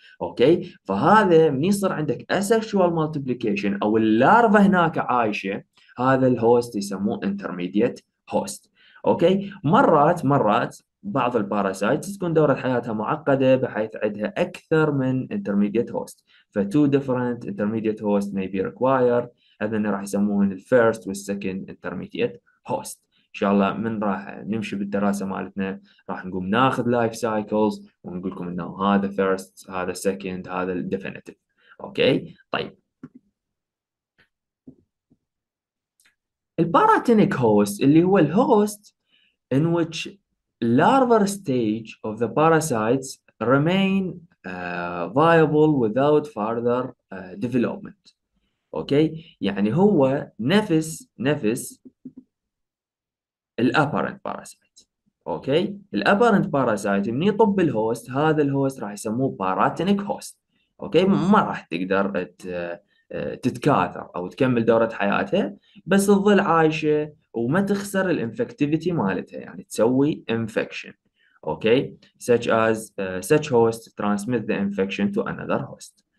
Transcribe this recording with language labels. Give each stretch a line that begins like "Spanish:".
Arabic: اوكي، فهذا من يصير عندك اسكشوال مالتيبليكيشن او اللارفا هناك عايشه، هذا الهوست يسموه انترميديت هوست. اوكي، مرات بعض الباراسايتس تكون دورة حياتها معقدة بحيث عندها أكثر من intermediate host.
English: فtwo different intermediate host may be required.
Arabic: هذين راح يسموهن ال first وال second intermediate host. إن شاء الله من راح نمشي بالدراسة مالتنا راح نقوم ناخذ life cycles ونقول لكم إنه هذا first، هذا second، هذا definitive. أوكي؟ طيب.
English: الباراتينيك host اللي هو الهوست in which larval stage of the parasites remain viable without further development.
Arabic: Okay, يعني هو نفس الابارنت باراسايت. Okay, الابارنت باراسايت من يطب الهوست، هذا الهوست راح يسموه باراتينيك هوست. Okay, ما راح تقدر تتكاثر او تكمل دورة حياتها، بس تظل عايشة وما تخسر الانفكتيفيتي مالتها، يعني تسوي انفكشن.
English: Okay, such as such host transmit the infection to another host.